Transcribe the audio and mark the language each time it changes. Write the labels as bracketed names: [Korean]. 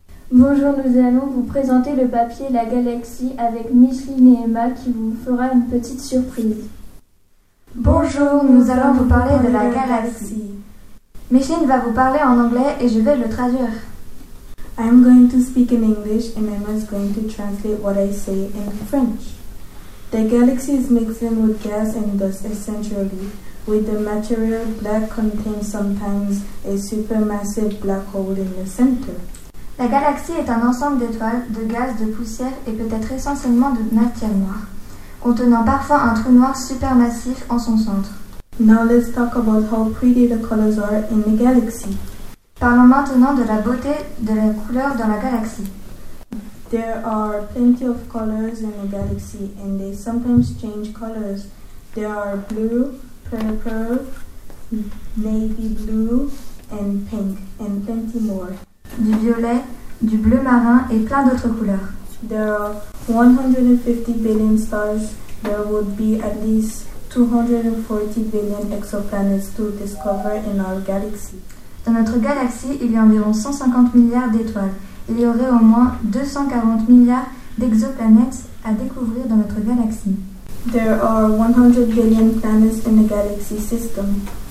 [French] Bonjour, nous allons vous présenter le papier La Galaxie avec Micheline et Emma qui vous fera une petite surprise. Bonjour, nous allons vous parler de La Galaxie. Micheline va vous parler en anglais et je vais le traduire. [English] I'm going to speak in English and Emma's going to translate what I say in French. The galaxy is mixing with gas and dust essentially, with the material that contains sometimes a supermassive black hole in the center. [French] La galaxie est un ensemble d'étoiles, de gaz, de poussière et peut-être essentiellement de matière noire, contenant parfois un trou noir supermassif en son centre. [English] Now let's talk about how pretty the colors are in the galaxy. [French] Parlons maintenant de la beauté de la couleur dans la galaxie. [English] There are plenty of colors in the galaxy and they sometimes change colors. There are blue, purple, navy blue and pink and plenty more. [French] Du violet, du bleu marin et plein d'autres couleurs. [English] There are 150 billion stars. There would be at least 240 billion exoplanets to discover in our galaxy. [French] Dans notre galaxie, il y a environ 150 milliards d'étoiles. Il y aurait au moins 240 milliards d'exoplanètes à découvrir dans notre galaxie. [English] There are 100 billion planets in the galaxy system.